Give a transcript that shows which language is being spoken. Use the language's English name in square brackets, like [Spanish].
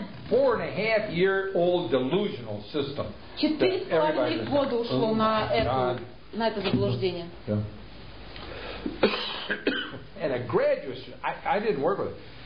[English] Four and a half year old delusional system. [Russian] 4,5 года ушло на это заблуждение. [English] And a graduate student, I didn't work with it.